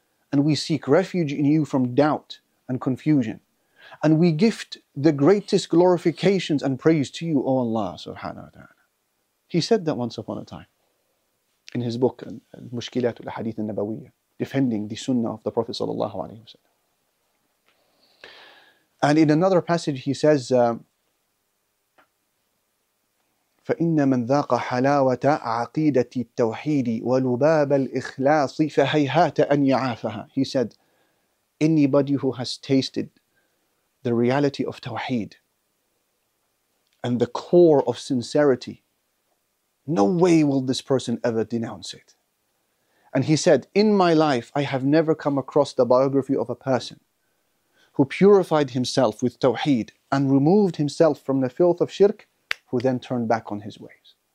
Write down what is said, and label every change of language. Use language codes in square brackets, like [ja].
[en] And we seek refuge in you from doubt and confusion. And we gift the greatest glorifications and praise to you, O Allah, subhanahu wa ta'ala. He said that once upon a time in his book, Al-Mushkilat al-Hadith al-Nabawiyyah, defending the sunnah of the Prophet sallallahu alayhi wa sallam. And in another passage he says, [ar] فَإِنَّ مَنْ ذَاقَ حَلَاوَةَ عَقِيدَةِ التَّوْحِيدِ وَلُبَابَ الْإِخْلَاصِ فَهَيْهَاتَ أَنْ يَعَافَهَا. [en] He said, anybody who has tasted the reality of Tawheed and the core of sincerity, no way will this person ever denounce it. And he said, in my life, I have never come across the biography of a person who purified himself with Tawheed and removed himself from the filth of Shirk, who then turned back on his ways.